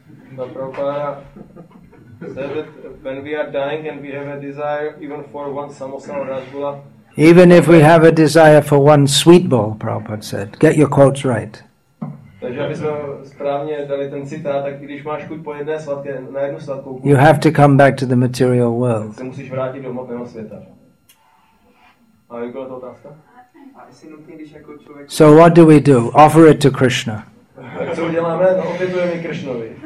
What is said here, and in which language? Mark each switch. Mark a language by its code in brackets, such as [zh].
[en] Srila Prabhupada said that when we are dying and we have a desire even for one samosa or rasgulla. Even if we have a desire for one sweet ball, Prabhupada said. Get your quotes right. [cs] Takže aby jsme správně dali ten citát, tak když máš chuť po jedné sladké, na jednu sladkou kůži, [en] you have to come back to the material world. [cs] Se musíš vrátit do hmotného světa. A jak byla to otázka? A jestli nutný, když jako člověk... [en] So what do we do? Offer it to Krishna. [cs] Tak co uděláme? No, obětujeme Krishnovi.